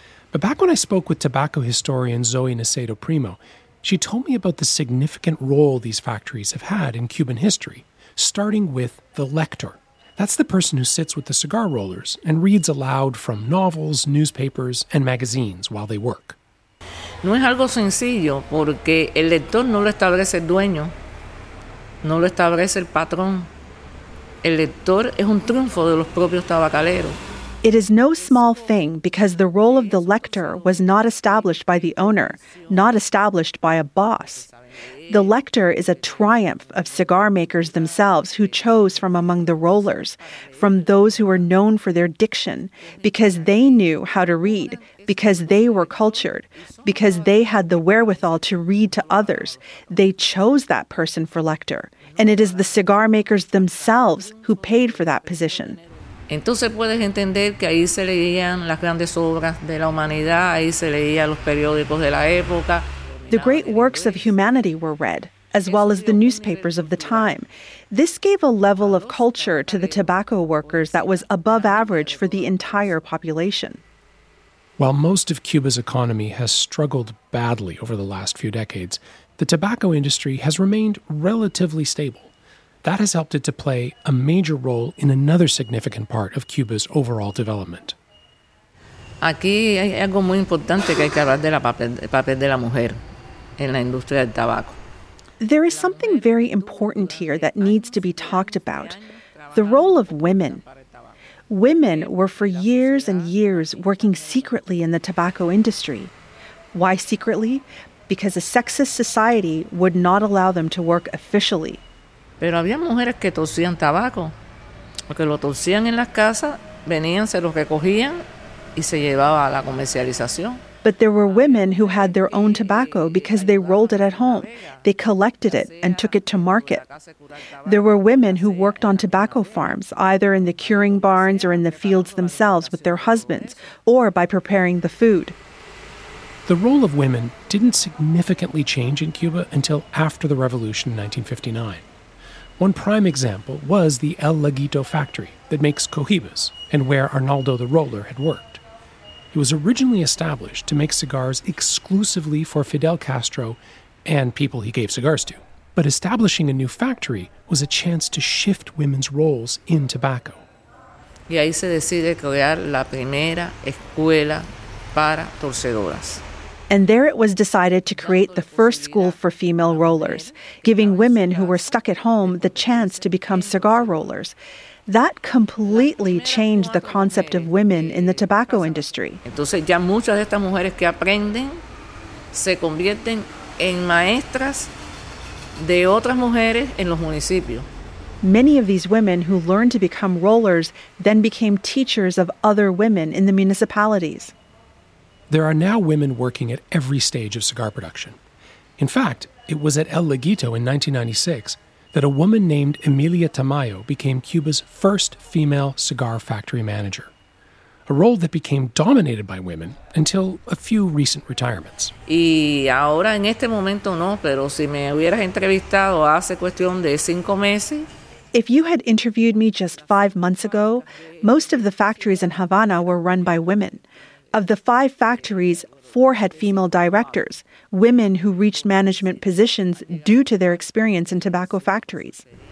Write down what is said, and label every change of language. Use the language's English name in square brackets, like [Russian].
[English] But back when I spoke with tobacco historian Zoe Nacedo Primo, she told me about the significant role these factories have had in Cuban history, starting with the lector. That's the person who sits with the cigar rollers and reads aloud from novels, newspapers, and magazines while they work. [Spanish] No es algo sencillo porque el lector no lo establece el dueño. No lo establece el patrón. El lector es un triunfo de los propios tabacaleros. [English] It is no small thing because the role of the lector was not established by the owner, not established by a boss. The lector is a triumph of cigar makers themselves who chose from among the rollers, from those who were known for their diction, because they knew how to read, because they were cultured, because they had the wherewithal to read to others. They chose that person for lector, and it is the cigar makers themselves who paid for that position. [Spanish] Entonces puedes entender que ahí se leían las grandes obras de la humanidad, ahí se leían los periódicos de la época. [English] The great works of humanity were read, as well as the newspapers of the time. This gave a level of culture to the tobacco workers that was above average for the entire population. While most of Cuba's economy has struggled badly over the last few decades, the tobacco industry has remained relatively stable. That has helped it to play a major role in another significant part of Cuba's overall development. [Spanish] Aquí hay algo muy importante que hay que hablar del papel de la mujer en la industria del tabaco. [English] There is something very important here that needs to be talked about, the role of women. Women were for years and years working secretly in the tobacco industry. Why secretly? Because a sexist society would not allow them to work officially. [Spanish] Pero había mujeres que torcían tabaco, porque lo torcían en las casas, venían, se los recogían y se llevaba a la comercialización. [English] But there were women who had their own tobacco because they rolled it at home. They collected it and took it to market. There were women who worked on tobacco farms, either in the curing barns or in the fields themselves with their husbands, or by preparing the food. The role of women didn't significantly change in Cuba until after the revolution in 1959. One prime example was the El Laguito factory that makes Cohibas and where Arnaldo the Roller had worked. It was originally established to make cigars exclusively for Fidel Castro and people he gave cigars to. But establishing a new factory was a chance to shift women's roles in tobacco. [Spanish] Y ahí se decide crear la primera escuela para torcedoras. [English] And there it was decided to create the first school for female rollers, giving women who were stuck at home the chance to become cigar rollers. That completely changed the concept of women in the tobacco industry. [Spanish] Entonces ya muchas de estas mujeres que aprenden se convierten en maestras de otras mujeres en los municipios. [English] Many of these women who learned to become rollers then became teachers of other women in the municipalities. There are now women working at every stage of cigar production. In fact, it was at El Laguito in 1996 that a woman named Emilia Tamayo became Cuba's first female cigar factory manager, a role that became dominated by women until a few recent retirements. [Spanish] Y ahora en este momento no, pero si me hubieras entrevistado hace cuestión de 5 meses. [English] If you had interviewed me just 5 months ago, most of the factories in Havana were run by women. Of the 5 factories, 4 had female directors, women who reached management positions due to their experience in tobacco factories.